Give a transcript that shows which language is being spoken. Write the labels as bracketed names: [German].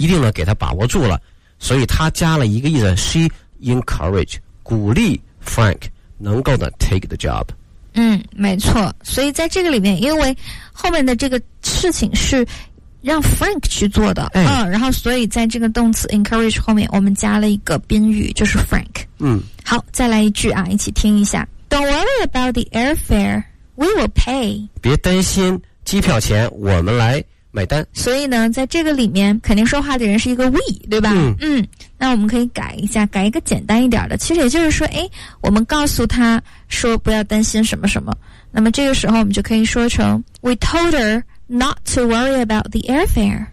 [Chinese] 一定呢给他把握住了，所以他加了一个意思 [English] She encourage [Chinese] 鼓励 Frank 能够呢 [English] take the job。 [Chinese] 嗯，没错。所以在这个里面，因为后面的这个事情是让 Frank 去做的、哎、然后所以在这个动词 encourage 后面我们加了一个宾语，就是 Frank。嗯，好，再来一句啊，一起听一下。 [English] Don't worry about the airfare, we will pay. [Chinese] 别担心机票钱，我们来买单。所以呢在这个里面肯定说话的人是一个 we, 对吧？嗯那我们可以改一下，改一个简单一点的，其实也就是说，哎，我们告诉他说不要担心什么什么，那么这个时候我们就可以说成 [English] we told her not to worry about the airfare。